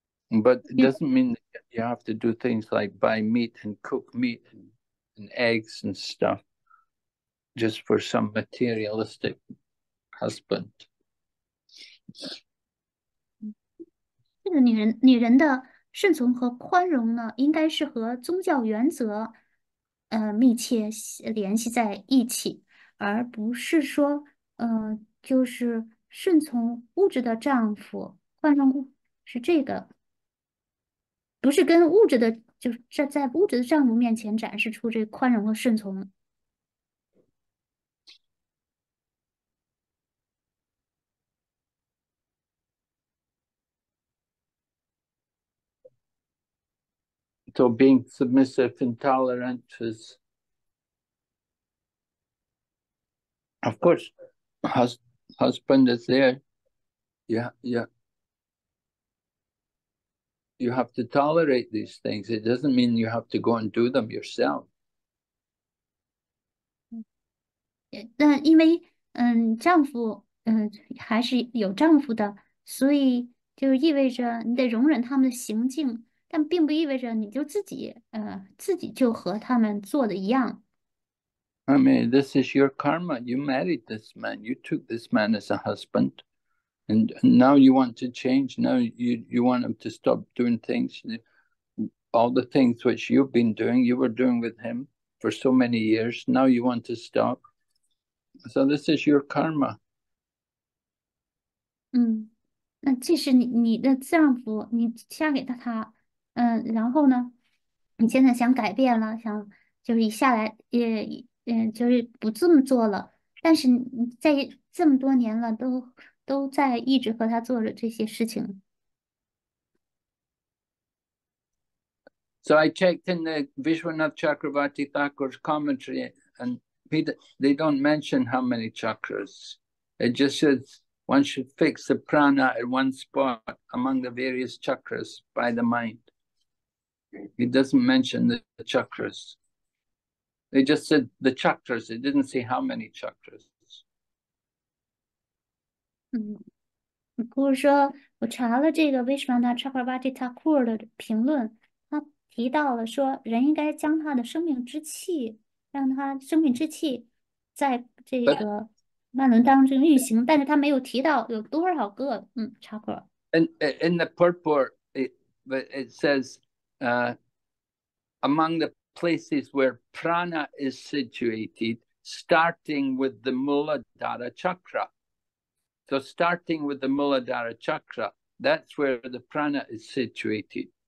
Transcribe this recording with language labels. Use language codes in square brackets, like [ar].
[en] But it doesn't mean that you have to do things like buy meat and cook meat and eggs and stuff just for some materialistic husband. [zh] 这个女人的顺从和宽容呢，应该是和宗教原则，密切联系在一起，而不是说，就是顺从物质的丈夫，宽容是这个。不是跟物质的，就是在物质的丈夫面前展示出这宽容和顺从。 [en] So being submissive and tolerant is, of course, husband is there. You have to tolerate these things. It doesn't mean you have to go and do them yourself. [zh] 但因为，丈夫，还是有丈夫的，所以就意味着你得容忍他们的行径，但并不意味着你就自己就和他们做的一样。 [en] I mean, this is your karma. You married this man. You took this man as a husband, and now you want to change. Now you want him to stop doing things, all the things which you've been doing, you were doing with him for so many years. Now you want to stop. So this is your karma. [zh] 那即使你的丈夫你嫁给他，然后呢，你现在想改变了，想就是下来也就是不这么做了，但是你在这么多年了，都在一直和他做着这些事情。 [en] So I checked in the Vishwanath Chakravarti Thakur's commentary, and they don't mention how many chakras. It just says one should fix the prana at one spot among the various chakras by the mind. It doesn't mention the chakras. They just said the chakras. It didn't say how many chakras. [zh] 提到了说，人应该将他的生命之气，让他生命之气在这个曼轮当中运行，但是他没有提到有多少个chakra。 [en] In the purport, it says, among the places where prana is situated, starting with the Muladhara chakra. So starting with the Muladhara chakra, that's where the prana is situated.